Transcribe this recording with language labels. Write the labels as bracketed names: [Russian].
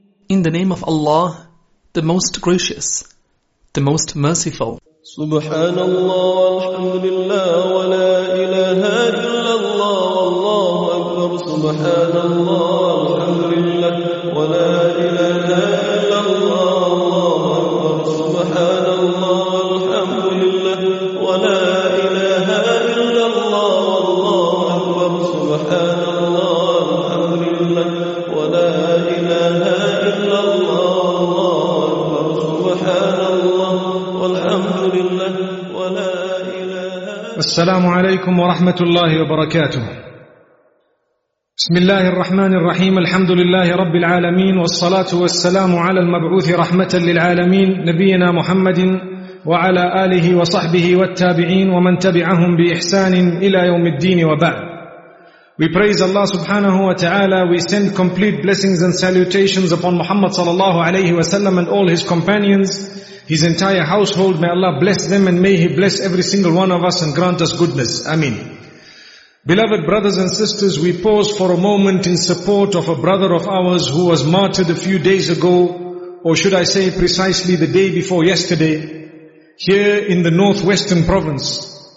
[English] In the name of Allah, the Most Gracious, the Most Merciful. [Arabic] سبحان الله والحمد لله ولا إله إلا الله والله أكبر. سبحان الله والحمد لله ولا إله إلا الله والله أكبر. سبحان الله والحمد لله ولا إله إلا الله والله أكبر. سبحان الله والحمد لله ولا إله إلا الله والله أكبر. سبحان الله والحمد لله ولا إله. السلام عليكم ورحمة الله وبركاته. بسم الله الرحمن الرحيم. الحمد لله رب العالمين، والصلاة والسلام على المبعوث رحمة للعالمين نبينا محمد وعلى آله وصحبه والتابعين ومن تبعهم بإحسان إلى يوم الدين وبعد. [English] We praise Allah subhanahu wa ta'ala. We send complete blessings and salutations upon Muhammad sallallahu alayhi wa sallam and all his companions, his entire household. May Allah bless them and may he bless every single one of us and grant us goodness. Ameen. Beloved brothers and sisters, we pause for a moment in support of a brother of ours who was martyred a few days ago, or should I say precisely the day before yesterday, here in the northwestern province.